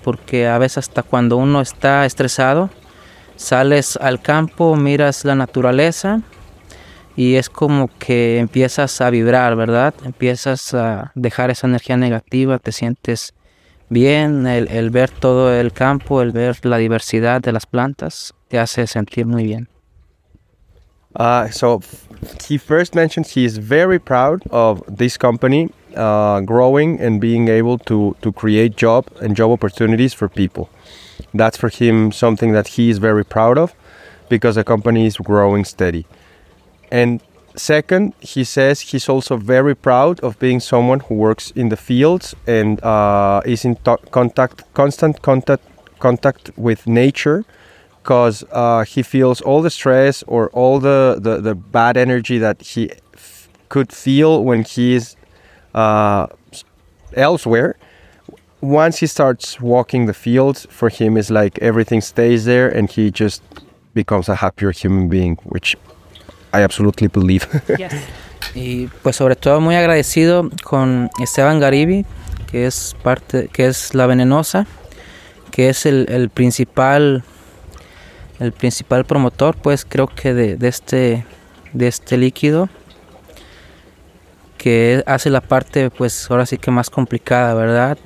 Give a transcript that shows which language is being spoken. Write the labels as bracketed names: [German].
[Spanish] Porque a veces hasta cuando uno está estresado, sales al campo, miras la naturaleza y es como que empiezas a vibrar, ¿verdad? Empiezas a dejar esa energía negativa, te sientes bien, el ver todo el campo, el ver la diversidad de las plantas, te hace sentir muy bien. [English] So he first mentioned he is very proud of this company growing and being able to create job and job opportunities for people. That's for him something that he is very proud of because the company is growing steady. And second, he says he's also very proud of being someone who works in the fields and is in constant contact with nature. Because he feels all the stress or all the bad energy that he could feel when he's elsewhere. Once he starts walking the fields, for him it's like everything stays there and he just becomes a happier human being, which I absolutely believe. Yes. [Spanish] Y pues sobre todo muy agradecido con Esteban Garibi, que es parte, que es La Venenosa, que es el principal promotor, pues creo que de este líquido, que hace la parte, pues ahora sí que más complicada, ¿verdad?